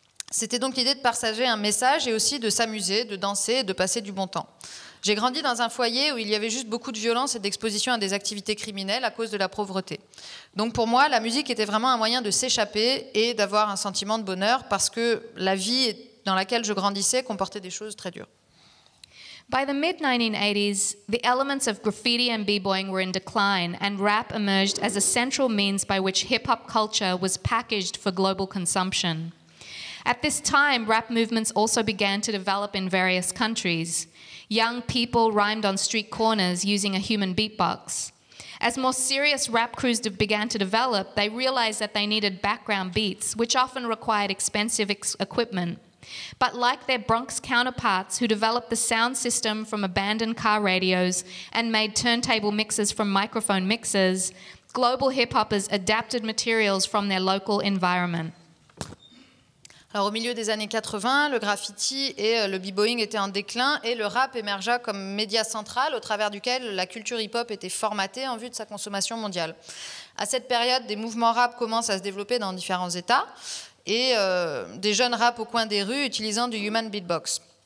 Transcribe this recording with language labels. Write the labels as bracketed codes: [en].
[fr] C'était donc l'idée de partager un message et aussi de s'amuser, de danser et de passer du bon temps. J'ai grandi dans un foyer où il y avait juste beaucoup de violence et d'exposition à des activités criminelles à cause de la pauvreté. Donc pour moi, la musique était vraiment un moyen de s'échapper et d'avoir un sentiment de bonheur parce que la vie dans laquelle je grandissais comportait des choses très dures. [en] By the mid-1980s, the elements of graffiti and b-boying were in decline and rap emerged as a central means by which hip-hop culture was packaged for global consumption. At this time, rap movements also began to develop in various countries. Young people rhymed on street corners using a human beatbox. As more serious rap crews began to develop, they realized that they needed background beats, which often required expensive equipment. But like their Bronx counterparts who developed the sound system from abandoned car radios and made turntable mixes from microphone mixers, global hip-hoppers adapted materials from their local environment. [fr] Alors, au milieu des années 80, le graffiti et le b-boying étaient en déclin et le rap émergea comme média central au travers duquel la culture hip-hop était formatée en vue de sa consommation mondiale. À cette période, des mouvements rap commencent à se développer dans différents états et des jeunes rappent au coin des rues utilisant du human beatbox.